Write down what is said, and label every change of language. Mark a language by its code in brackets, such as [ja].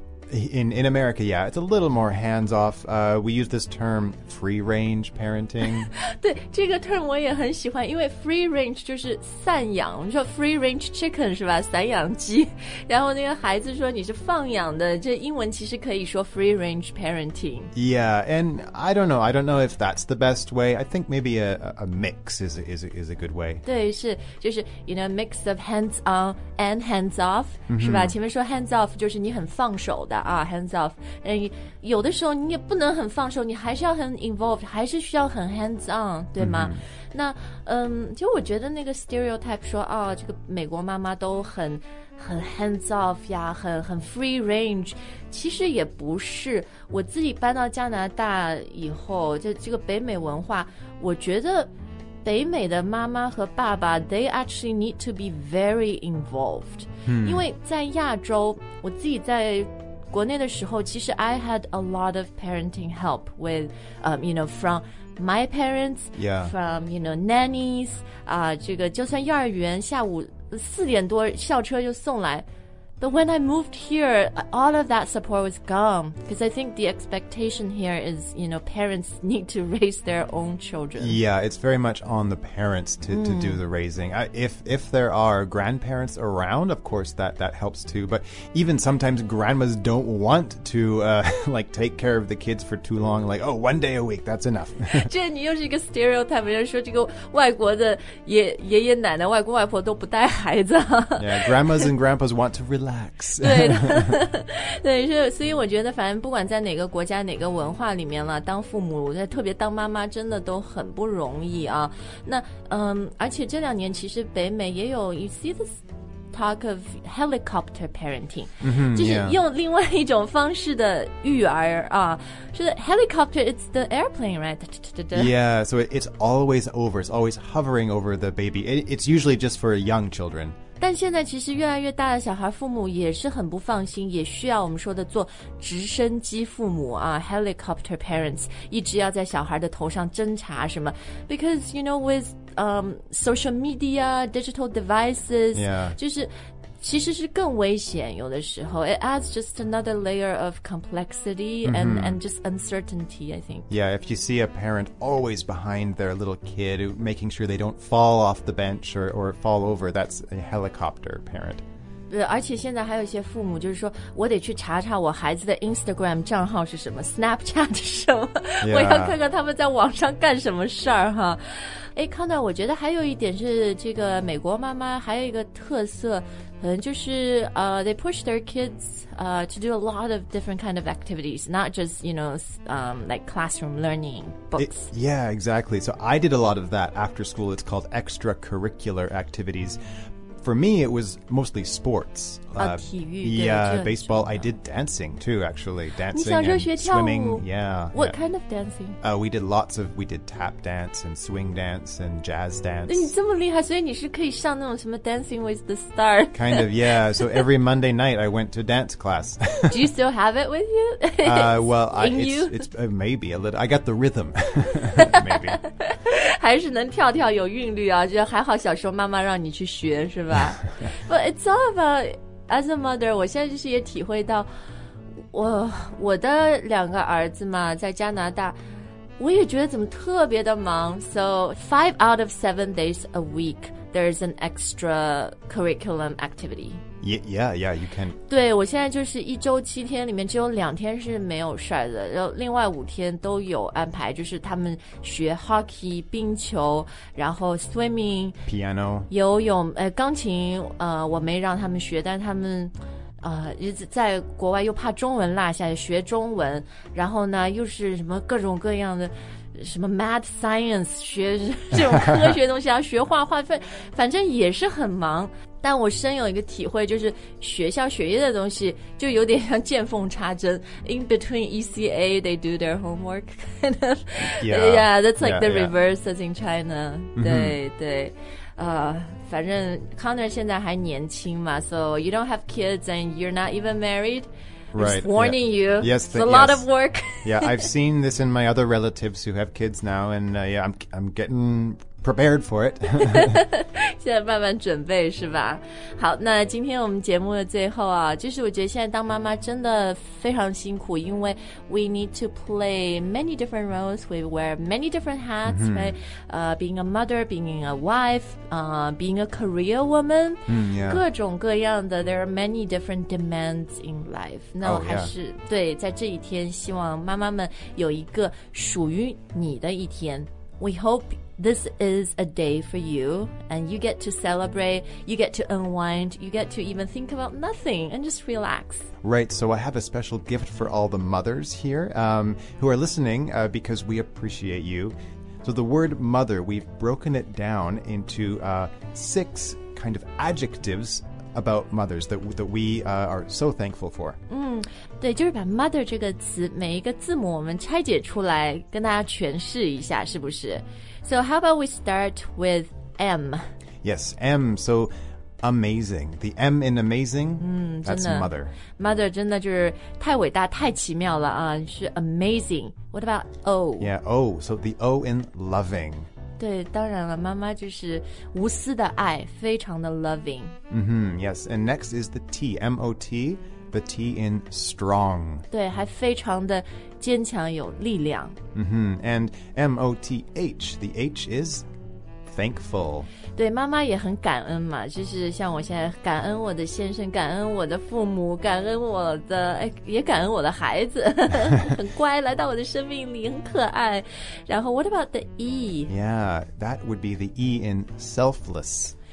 [en] In America, yeah, it's a little more hands-off. We use this term free-range parenting. [zh] 对，这个 term 我也很喜欢，因为 free-range 就是散养，我们说 [en] free-range chicken [zh] 是吧，散养鸡。然后那个孩子说你是放养的，这英文其实可以说 [en] free-range parenting. Yeah, and I don't know if that's the best way. I think maybe a mix is a good way. [zh] 对，是，就是 [en] you know, mix of hands-on and hands-off,、mm-hmm. [zh] 是吧？前面说 hands-off 就是你很放手。 [en] Hands off. And you, [zh] 有的时候你也不能很放手，你还是要很 involved， 还是需要很 [en] hands on， [zh] 对吗？Mm-hmm. 那其实我觉得那个 stereotype 说啊、哦，这个美国妈妈都很 hands off 呀，很 free range， 其实也不是。我自己搬到加拿大以后，这个北美文化，我觉得。北美的妈妈和爸爸 [en] they actually need to be very involved、 hmm. [zh] 因为在亚洲我自己在国内的时候其实 [en] I had a lot of parenting help with、you know from my parents、 yeah. from you know nannies、 [zh] 这个就算幼儿园下午四点多校车就送来。 [en] But when I moved here, all of that support was gone. Because I think the expectation here is, you know, parents need to raise their own children. Yeah, it's very much on the parents to do the raising. If there are grandparents around, of course, that helps too. But even sometimes grandmas don't want to, like, take care of the kids for too long. Like, oh, one day a week, that's enough. [zh] Jen, 你又是一个 stereotype, 人家说这个外国的爷爷奶奶、外公外婆都不带孩子。 [en] Yeah, grandmas and grandpas want to relax. [zh] 对, 对，所以我觉得反正不管在哪个国家哪个文化里面了，当父母特别当妈妈真的都很不容易啊。那而且这两年其实北美也有 [en] you see this talk of helicopter parenting、 mm-hmm, [zh] 就是用另外一种方式的育儿啊。是 [en] helicopter, it's the airplane, right? Yeah, so it's always over, it's always hovering over the baby. It's usually just for young children. [zh] 但现在其实越来越大的小孩父母也是很不放心，也需要我们说的做直升机父母啊 ， [en] helicopter parents， [zh] 一直要在小孩的头上侦查什么 ， [en] because you know with social media, digital devices， yeah， [zh] 就是其实是更危险，有的时候 [en] it adds just another layer of complexity and、mm-hmm. and just uncertainty, I think. Yeah, if you see a parent always behind their little kid, making sure they don't fall off the bench or fall over, that's a helicopter parent. [zh] 对，而且现在还有一些父母就是说，我得去查查我孩子的 Instagram 账号是什么 ，Snapchat 是什么， [en] yeah. [zh] 我要看看他们在网上干什么事儿哈。哎，康道，我觉得还有一点是这个美国妈妈还有一个特色。就是 [en] they push their kids to do a lot of different kind of activities, not just, you know, like classroom learning, books. Yeah, exactly. So I did a lot of that after school. It's called extracurricular activities. For me, it was mostly sports. [zh] 体育。 [en] Yeah, baseball. I did dancing too, actually. Dancing and swimming. Yeah. What kind of dancing? We did tap dance and swing dance and jazz dance. [zh] 你这么厉害，所以你是可以上那种什么 [en] Dancing with the Star. Kind of, yeah. So every Monday night, I went to dance class. Do you still have it with you? Maybe a little. I got the rhythm. Maybe. [zh] 还是能跳跳有韵律啊，就还好小时候妈妈让你去学是吧？ [en] But it's all about as a mother. [zh] 我现在就是也体会到我的两个儿子嘛，在加拿大，我也觉得怎么特别的忙。 [en] So 5 out of 7 days a week, there's an extra curriculum activity. Yeah, you can. [zh] 对，我现在就是一周七天里面只有两天是没有事儿的，然后另外五天都有安排，就是他们学 hockey 冰球，然后 swimming [en] piano [zh] 游泳，钢琴，我没让他们学，但他们。在国外又怕中文落下，学中文，然后呢又是什么各种各样的什么 mad science 学这种科学东西，要学画画，反正也是很忙。但我深有一个体会，就是学校学业的东西就有点像见缝插针。 [en] In between ECA, they do their homework. Yeah, yeah, that's like the reverse as in China.、Mm-hmm. [zh] 对对。反正 Connor 现在还年轻嘛 [en] ，so you don't have kids and you're not even married. Right, just warning you. Yes, it's a lot of work. Yeah, I've seen this in my other relatives who have kids now, and I'm getting prepared for it. [zh] 现在慢慢准备是吧？好，那今天我们节目的最后啊，就是我觉得现在当妈妈真的非常辛苦，因为 [en] we need to play many different roles, we wear many different hats,、 [zh] mm-hmm. [en] right? Being a mother, being a wife, being a career woman,、 mm-hmm. [zh] 各种各样的 [en] there are many different demands in life. [zh] 那我还是、 [en] oh, yeah. [zh] 对，在这一天，希望妈妈们有一个属于你的一天。 [en] We hope. This is a day for you, and you get to celebrate, you get to unwind, you get to even think about nothing and just relax. Right, so I have a special gift for all the mothers here, who are listening, because we appreciate you. So the word mother, we've broken it down into, 6 kind of adjectives. About mothers that we are so thankful for. [zh] 对，就是把 mother 这个词每一个字母我们拆解出来，跟大家诠释一下，是不是 ？ [en] So how about we start with M? Yes, M. So amazing. The M in amazing. That's mother. [zh] Mother 真的就是太伟大、太奇妙了啊！是 amazing. [en] What about O? Yeah, O. So the O in loving. [zh] 对，当然了，妈妈就是无私的爱，非常的 loving. [en] Mm-hmm, yes, and next is the T, M-O-T, the T in strong. [zh] 对，还非常的坚强有力量。 [en] Mm-hmm, and M-O-T-H, the H is... thankful. [zh] 对，妈妈也很感恩嘛，就是像我现在感恩我的先生，感恩我的父母，感恩我的，也感恩我的孩子，很乖，来到我的生命里，很可爱。然后 [en] what about the E? Yeah, that would be the E in selfless.